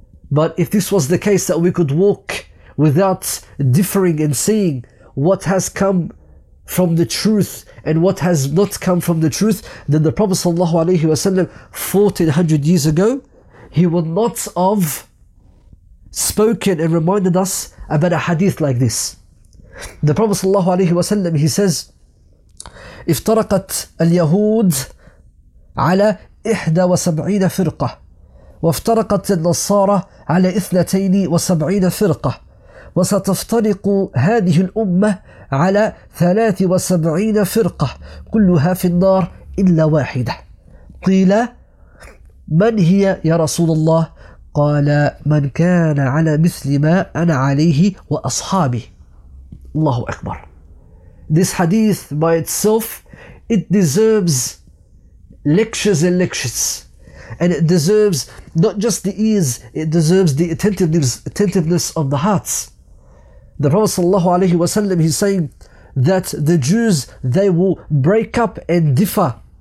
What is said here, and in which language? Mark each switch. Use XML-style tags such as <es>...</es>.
<en>But if this was the case, that we could walk without differing and seeing what has come from the truth and what has not come from the truth, then the Prophet sallallahu alaihi wasallam 1400 years ago, he would not have spoken and reminded us about a hadith like this. The Prophet sallallahu alaihi wasallam, he says,</en> <ar>افترقت اليهود على 71 فرقة وافترقت النصارى على 72 فرقة وستفترق هذه الأمة على 73 فرقة كلها في النار إلا واحدة. قيل من هي يا رسول الله؟ قال من كان على مثل ما أنا عليه وأصحابي. Allahu Akbar.</ar> <en>This hadith by itself, it deserves lectures and lectures. And it deserves not just the ears, it deserves the attentiveness of the hearts. The Prophet sallallahu alaihi wasallam, he's saying that the Jews, they will break up and differ.</en>